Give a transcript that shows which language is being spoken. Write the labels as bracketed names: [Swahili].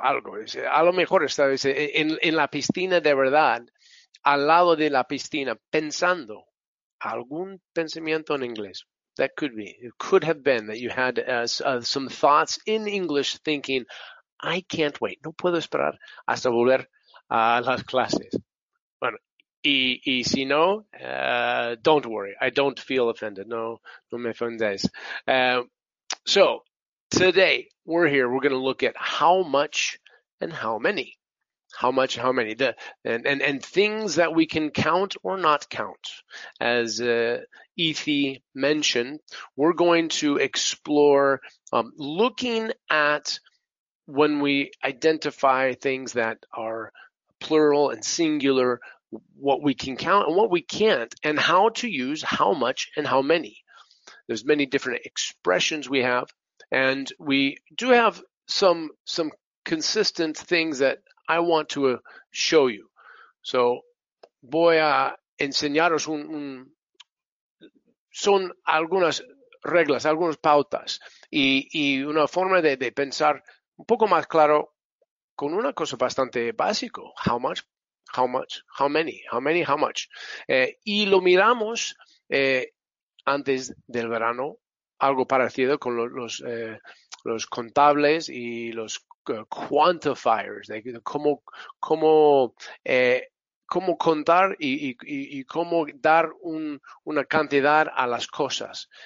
[Spanish] A lo mejor estaba en la piscina de verdad, al lado de la piscina, pensando algún pensamiento en inglés. [English] That could be. It could have been that you had some thoughts in English, thinking, I can't wait. [Spanish] No puedo esperar hasta volver a las clases. Bueno, y si no, [English] don't worry. I don't feel offended. [Spanish] No me ofendes. [English] So today we're here. We're going to look at how much and how many. How much, how many, the, and things that we can count or not count. As Ethi mentioned, we're going to explore looking at when we identify things that are plural and singular, what we can count and what we can't, and how to use how much and how many. There's many different expressions we have, and we do have some consistent things that I want to show you. [Spanish] So voy a enseñaros son algunas reglas, algunas pautas, y una forma de pensar un poco más claro con una cosa bastante básico. [English] How much, how much, how many, how much. [Spanish] Y lo miramos antes del verano, algo parecido con los contables y los quantifiers, de cómo contar y cómo dar una cantidad a las cosas.